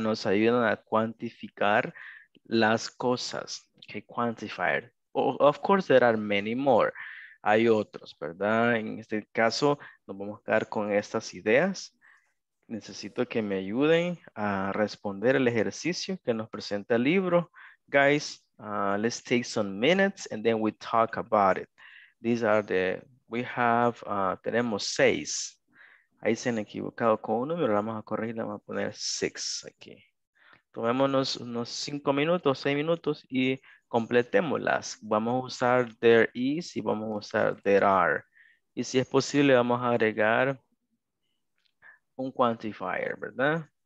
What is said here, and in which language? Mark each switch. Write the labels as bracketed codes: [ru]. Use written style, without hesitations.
[es] Nos ayudan a cuantificar las cosas. [en] Okay, quantifier. Of course, there are many more. [es] Hay otros, ¿verdad? En este caso, nos vamos a quedar con estas ideas. Necesito que me ayuden a responder el ejercicio que nos presenta el libro. [en] Guys, let's take some minutes and then we talk about it. These are the, we have, [es] tenemos seis. Ahí se han equivocado con un número, vamos a corregir, vamos a poner six aquí. Tomémonos unos 5 minutos, 6 minutos y completémoslas. Vamos a usar there is y vamos a usar there are. Y si es posible, vamos a agregar un quantifier, ¿verdad?